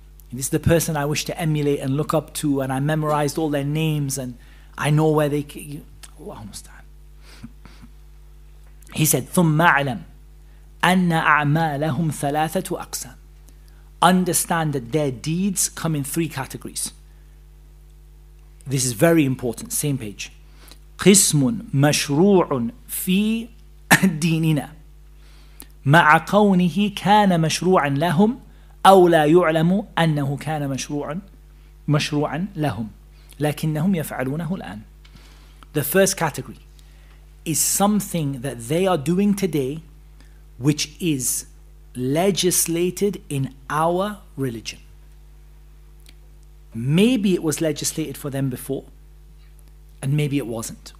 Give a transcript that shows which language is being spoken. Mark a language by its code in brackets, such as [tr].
[en] And this is the person I wish to emulate and look up to, and I memorized all their names and I know where they came. [ar] Allahu musta'an. [en] He said, [ar] ثُمَّ أَعْلَمْ أَنَّ أَعْمَالَهُمْ ثَلَاثَةُ أَقْسَامٍ. [en] Understand that their deeds come in three categories. This is very important, same page. [ar] قِسْمٌ مَشْرُوعٌ فِي دِينِنَا مَعَ قَوْنِهِ كَانَ مَشْرُوعًا لَهُمْ أو لا يعلم أنه كان مشروعا لهم لكنهم يفعلونه الآن. [en] The first category is something that they are doing today which is legislated in our religion. Maybe it was legislated for them before and maybe it wasn't.